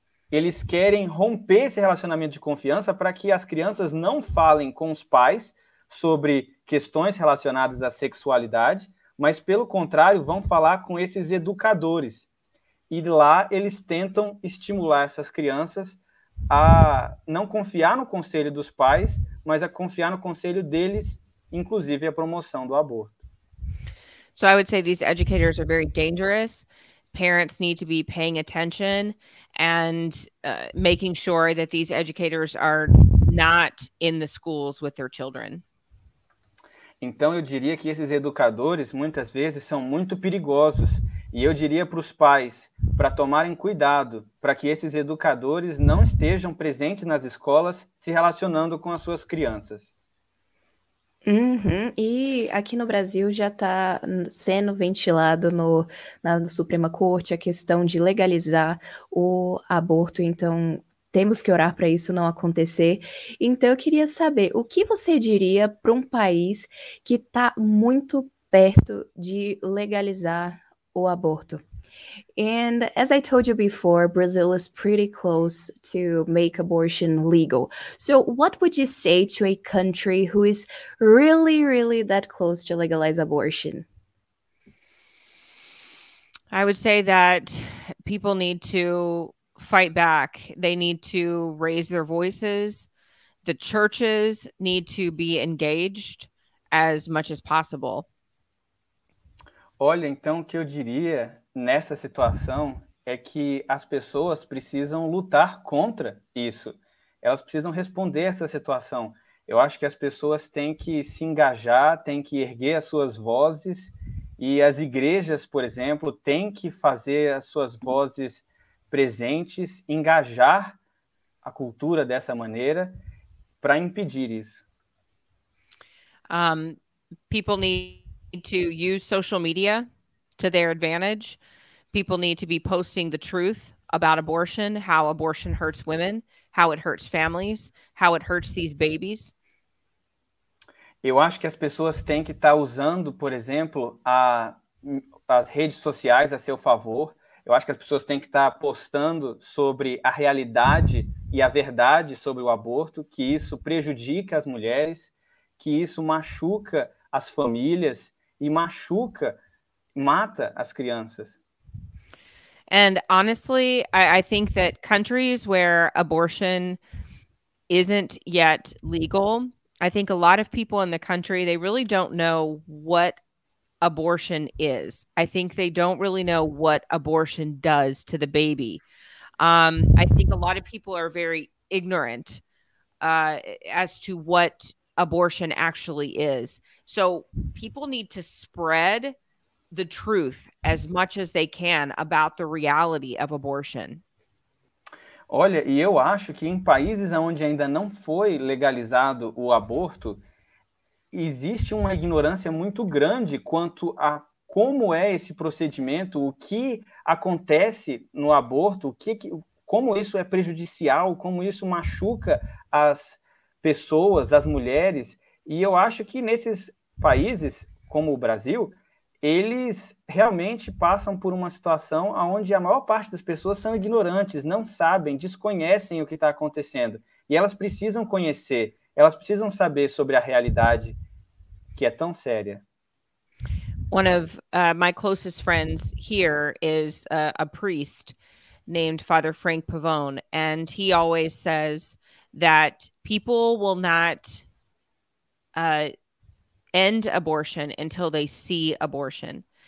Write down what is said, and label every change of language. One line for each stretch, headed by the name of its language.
Portuguese: Eles querem romper esse relacionamento de confiança para que as crianças não falem com os pais sobre questões relacionadas à sexualidade, mas, pelo contrário, vão falar com esses educadores. E lá eles tentam estimular essas crianças a não confiar no conselho dos pais, mas a confiar no conselho deles, inclusive a promoção do aborto.
English: So I would say these educators are very dangerous. Parents need to be paying attention and making sure that these educators are not in the schools with their children.
Portuguese: Então eu diria que esses educadores muitas vezes são muito perigosos, e eu diria para os pais para tomarem cuidado, para que esses educadores não estejam presentes nas escolas se relacionando com as suas crianças. Uhum. E aqui no Brasil já está sendo ventilado no Suprema Corte a questão de legalizar o aborto, então temos que orar para isso não acontecer. Então eu queria saber, o que você diria para um país que está muito perto de legalizar o aborto?
English: And as I told you before, Brazil is pretty close to make abortion legal. So what would you say to a country who is really, really that close to legalize abortion? I would say that people need to fight back. They need to raise their voices. The churches need to be engaged as much as possible.
Portuguese: Olha, então, o que eu diria nessa situação é que as pessoas precisam lutar contra isso. Elas precisam responder essa situação. Eu acho que as pessoas têm que se engajar, têm que erguer as suas vozes, e as igrejas, por exemplo, têm que fazer as suas vozes presentes, engajar a cultura dessa maneira para impedir isso.
English: People need to use social media to their advantage. People need to be posting the truth about abortion, how abortion hurts women, how it hurts families, how it hurts these babies.
Portuguese: Eu acho que as pessoas têm que estar usando, por exemplo, as redes sociais a seu favor. Eu acho que as pessoas têm que estar postando sobre a realidade e a verdade sobre o aborto, que isso prejudica as mulheres, que isso machuca as famílias e machuca, mata as crianças.
English: And honestly, I think that countries where abortion isn't yet legal, I think a lot of people in the country, they really don't know what abortion is. I think they don't really know what abortion does to the baby. I think a lot of people are very ignorant as to what abortion actually is. So people need to spread the truth as much as they can about the reality of abortion.
Portuguese: Olha, e eu acho que em países onde ainda não foi legalizado o aborto, existe uma ignorância muito grande quanto a como é esse procedimento, o que acontece no aborto, como isso é prejudicial, como isso machuca as pessoas, as mulheres. E eu acho que nesses países, como o Brasil, eles realmente passam por uma situação onde a maior parte das pessoas são ignorantes, não sabem, desconhecem o que está acontecendo. E elas precisam conhecer, elas precisam saber sobre a realidade que é tão séria.
English: One of my closest friends here is a priest named Father Frank Pavone, and he always says that people will not end abortion until they see abortion.